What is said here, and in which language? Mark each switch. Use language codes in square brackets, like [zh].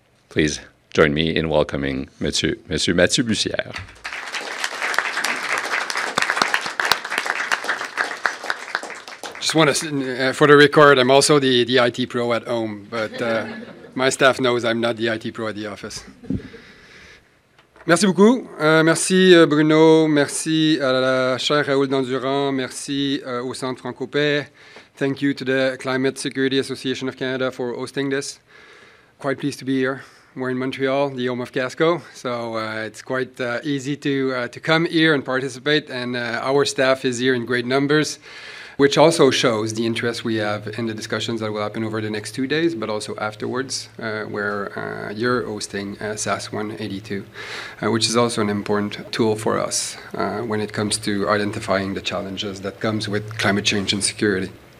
[en] Please join me in welcoming Monsieur Mathieu Bussière. Just want to, for the record, I'm also the IT pro at home, but my staff knows I'm not the IT pro at the office. [fr] Merci beaucoup. Merci Bruno, merci à la chère Raoul Dandurand, merci au Centre Francopais. [en] Thank you to the Climate Security Association of Canada for hosting this. Quite pleased to be here. We're in Montreal, the home of CASCO, so it's quite easy to come here and participate, and our staff is here in great numbers, which also shows the interest we have in the discussions that will happen over the next 2 days, but also afterwards, where you're hosting SAS 182, which is also an important tool for us when it comes to identifying the challenges that comes with climate change and security.